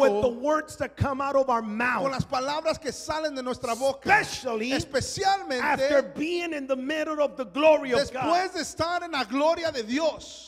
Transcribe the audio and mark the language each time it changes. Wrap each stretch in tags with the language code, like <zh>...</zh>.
<en>with the words that come out of our mouth,</en> <es>con las palabras que salen de nuestra boca,</es> <en>especially</en> <es>especialmente</es> <en>after being in the middle of the glory of God.</en> <es>Después de estar en la gloria de Dios,</es>